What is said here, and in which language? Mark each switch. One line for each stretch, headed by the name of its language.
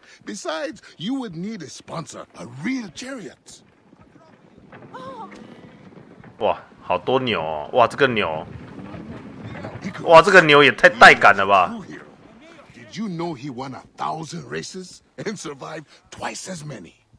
English: Besides, you would need a sponsor, a real chariot.
Chinese: 哇，好多牛、哦！哇，这个牛，哇，这个牛也太带感了吧
English: ！Did you know he won 1,000 races and survived twice as many？